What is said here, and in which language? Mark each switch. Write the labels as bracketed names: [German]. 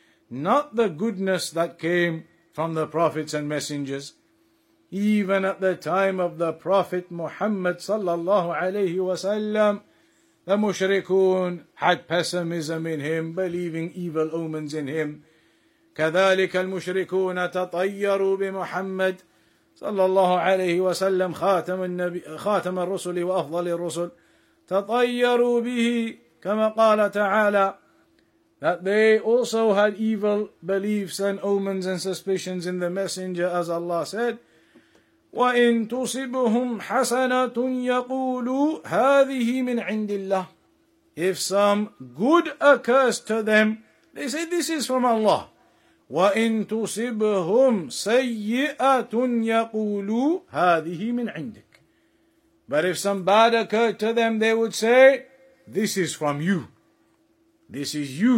[English] Not the goodness that came from the prophets and messengers. Even at the time of the Prophet Muhammad sallallahu alayhi wa sallam, the mushrikun had pessimism in him, believing evil omens in him. [Arabic] كذلك المشركون تطيروا بمحمد صلى الله عليه وسلم خاتم النبي خاتم الرسل وأفضل الرسل تطيروا به كما قال تعالى, [English] that they also had evil beliefs and omens and suspicions in the messenger, as Allah said. [Arabic] وَإِن تُصِبُهُمْ حَسَنَةٌ يَقُولُوا هَذِهِ مِنْ عِنْدِ اللَّهِ, [English] if some good occurs to them, they say, this is from Allah. [Arabic] وَإِن تُصِبُهُمْ سَيِّئَةٌ يَقُولُوا هَذِهِ مِنْ عِنْدِكَ, [English] but if some bad occurred to them, they would say, this is from you. This is you.